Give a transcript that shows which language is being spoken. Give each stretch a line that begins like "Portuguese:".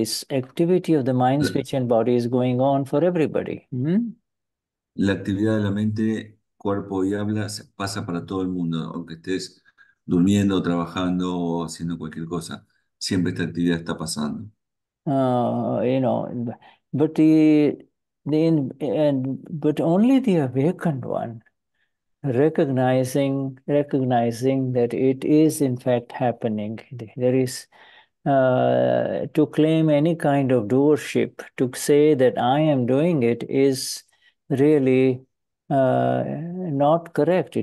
English: This activity of the mind, speech, and body is going on for everybody.
Spanish: La actividad de la mente, cuerpo y habla pasa para todo el mundo, aunque estés durmiendo, trabajando o haciendo cualquier cosa. Siempre esta actividad está pasando.
English: You know, but but only the awakened one recognizing that it is in fact happening. There is to claim any kind of doership, to say that I am doing it, is really not correct.